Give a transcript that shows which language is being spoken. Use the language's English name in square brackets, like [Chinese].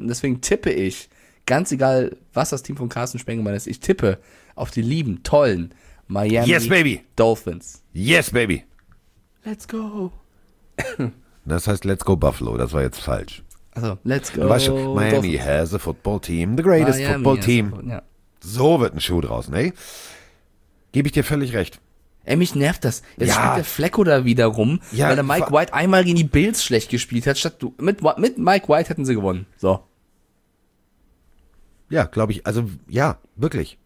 [German] Und deswegen tippe ich, ganz egal, was das Team von Carsten Spengemann ist, ich tippe auf die lieben, tollen Miami [English] yes, baby. Dolphins. Yes, baby. Let's go. [German] Das heißt, [English] let's go [German] Buffalo. Das war jetzt falsch. [English] Also, let's go. [German] Weißt du, Miami Dolphins. [English] Has a football team, the greatest Miami football team. [German] Football, ja. So wird ein Schuh draus, ne? Gebe ich dir völlig recht. Ey, mich nervt das. Jetzt spielt der Flacco da wieder rum, weil der Mike White einmal gegen die Bills schlecht gespielt hat. Statt mit Mike White hätten sie gewonnen. So. Ja, glaube ich. Also, ja, wirklich.